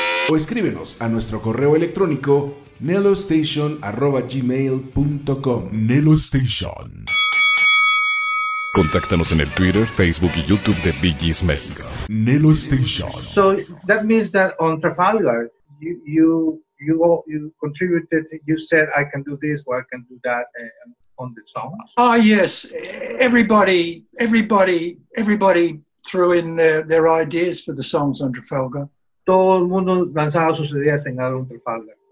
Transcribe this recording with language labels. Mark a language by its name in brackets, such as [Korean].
[Spanish] O escríbenos a nuestro correo electrónico nelostation@gmail.com. Nelo Station. Contáctanos en el Twitter, Facebook y YouTube de Bee Gees México. Nelo Station. [English] So that means that on Trafalgar, you contributed. You said I can do this or I can do that on the song. Ah, yes. Everybody threw in their ideas for the songs on Trafalgar. [Spanish] Todo el mundo lanzaba sus ideas en álbum Trafalgar.